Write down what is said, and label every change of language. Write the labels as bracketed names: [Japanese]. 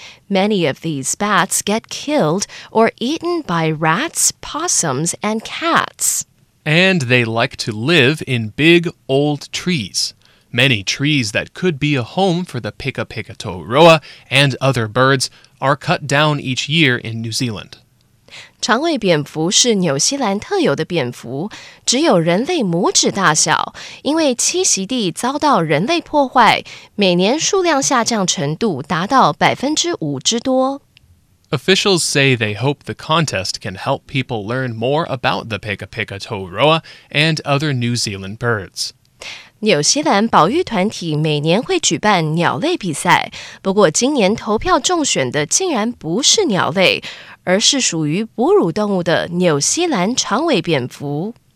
[English] Many of these bats get killed or eaten by rats, possums, and cats. And they like to live in big, old trees. Many trees that could be a home for the pekapeka-tou-roa and other birds are cut down each year in New Zealand. [Chinese] 长尾蝙蝠是纽西兰特有的蝙蝠，只有人类拇指大小。因为栖息地遭到人类破坏，每年数量下降程度达到5%之多。 [English] Officials say they hope the contest can help people learn more about the pekapeka-tou-roa and other New Zealand birds. [Chinese] 纽西兰保育团体每年会举办鸟类比赛，不过今年投票中选的竟然不是鸟类，而是属于哺乳动物的纽西兰长尾蝙蝠。